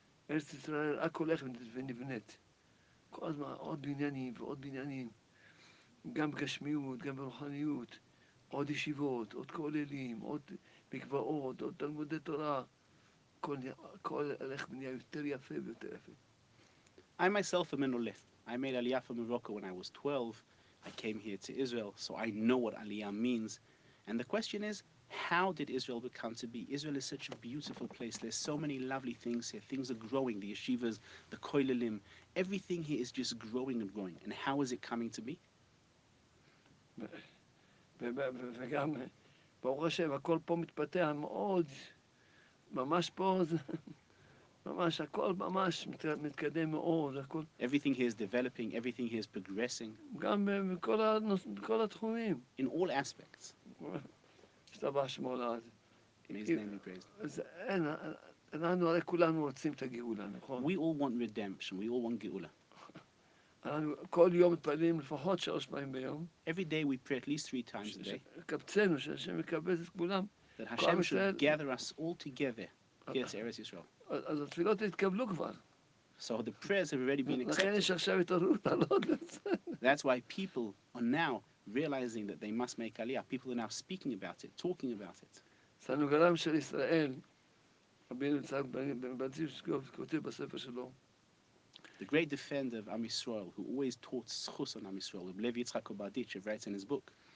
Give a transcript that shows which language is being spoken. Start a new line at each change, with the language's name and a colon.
Hebrew: ארץ ישראל רק הולך ונבנית. כל הזמן עוד בניינים ועוד בניינים, גם בגשמיות, גם ברוחניות. עוד ישיבות, עוד כוללים, עוד מקוואות, עוד תלמודי תורה. כל הלך בנייה יותר יפה ויותר יפה.
English: I myself am an Olef. I made Aliyah from Morocco when I was 12. I came here to Israel, so I know what Aliyah means. And the question is, how did Israel become to be? Israel is such a beautiful place. There's so many lovely things here. Things are growing. The yeshivas, the koilalim, everything here is just growing and growing. And how is it coming to be?
Hebrew: וגם ברוך השם הכל פה מתפתח מאוד ממש פה זה ממש הכל ממש מתקדם מאוד הכל
English: everything he is developing everything he is progressing
Hebrew: גם בכל התחומים
English: in all aspects
Hebrew: שתבח שמו לעד
English: amazing name praise
Hebrew: אנחנו הרי כולנו רוצים את הגאולה נכון
English: we all want redemption we all want גאולה
Hebrew: אנחנו כל יום מתפללים לפחות שלוש פעמים ביום.
English: Every day we pray at least three times a day.
Hebrew: קבצנו שהשם יקבץ את כולם.
English: That Hashem should gather us all together here to Eretz Yisrael.
Hebrew: אז התפילות התקבלו כבר.
English: So the prayers have already been accepted.
Hebrew: לכן יש עכשיו התעוררות על עוד לזה.
English: That's why people are now realizing that they must make Aliyah. People are now speaking about it, talking about it.
Hebrew: סנוגרם של ישראל, רבי נצחק בן בנציב כותב בספר שלו,
English: The great defender of Am Yisrael, who always taught schus on Am Yisrael, the Lev Yitzchak Obadich, writes in his book,